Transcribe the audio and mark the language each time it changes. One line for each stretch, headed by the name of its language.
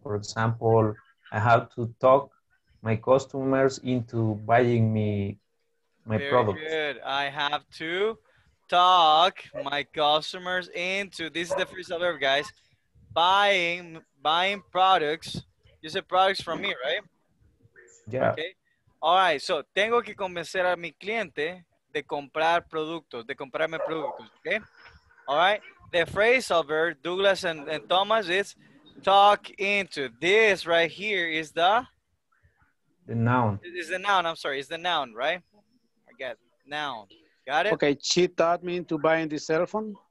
English: For example, I have to talk my customers into buying me my product. Very good. I have to talk my customers into, this is the phrasal verb, guys, buying products. You said products from me, right? Yeah. Okay. All right, so
Spanish: tengo que convencer a mi cliente de comprar productos, de comprarme productos, okay?
English: All right, the phrasal verb, Douglas and Thomas, is talk into. This right here is the noun. It's the noun, I'm sorry, it's the noun, right? I get noun. Got it? Okay, she taught me into buying the cell phone.